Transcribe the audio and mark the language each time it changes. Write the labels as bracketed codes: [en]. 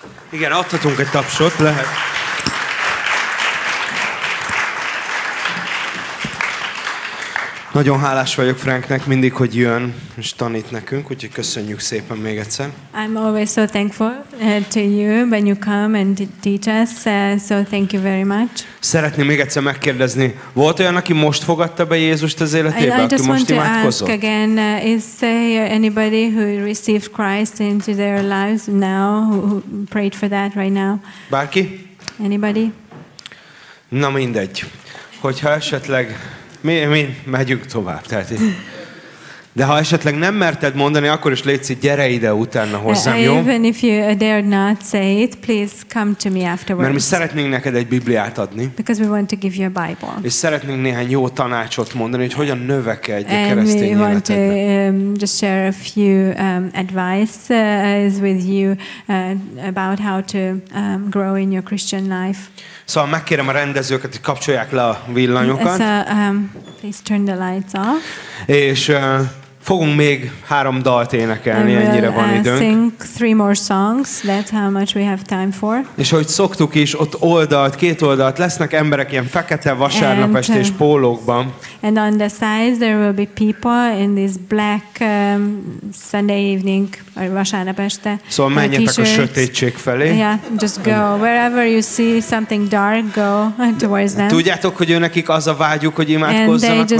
[hu] Igen, adhatunk egy tapsot, lehet. Nagyon hálás vagyok Franknek mindig, hogy jön és tanít nekünk, úgyhogy köszönjük szépen még egyszer. [en] I'm always so thankful to you when you come and teach us, so thank you very much. [hu] Szeretném még egyszer megkérdezni, volt olyan, aki most fogadta be Jézust az életébe, aki most imádkozott? [en] I just want to ask again, is there anybody who received Christ into their lives now, who prayed for that right now? [hu] Bárki? [en] Anybody? [hu] Na mindegy, hogyha esetleg... Mi megyünk tovább. Tehát, de ha esetleg nem merted mondani, akkor is légy szíves, gyere ide utána hozzám, jó? [en] Even if you dare not say it, please come to me afterwards. [hu] Mert mi szeretnénk neked egy Bibliát adni. [en] Because we want to give you a Bible. [hu] És szeretnénk néhány jó tanácsot mondani, hogy hogyan növekedj a keresztény életedben. [en] And we want to just share a few advice with you about how to grow in your Christian life. [hu] Szóval megkérem a rendezőket, hogy kapcsolják le a villanyokat. [en] Please turn the lights off. [hu] És fogunk még három dalt énekelni, [en] we'll [hu] ennyire van időnk. [en] Sing three more songs, that's how much we have time for. [hu] És ahogy szoktuk is, ott oldalt, két oldalt lesznek emberek ilyen fekete vasárnap estés pólókban. [en] And on the sides there will be people in this black Sunday evening, or [hu] vasárnap este. Szóval menjetek a sötétség felé. [en] Yeah, just go. Wherever you see something dark, go towards them. [hu] Tudjátok, hogy őnekik az a vágyuk, hogy imádkozzanak veletek?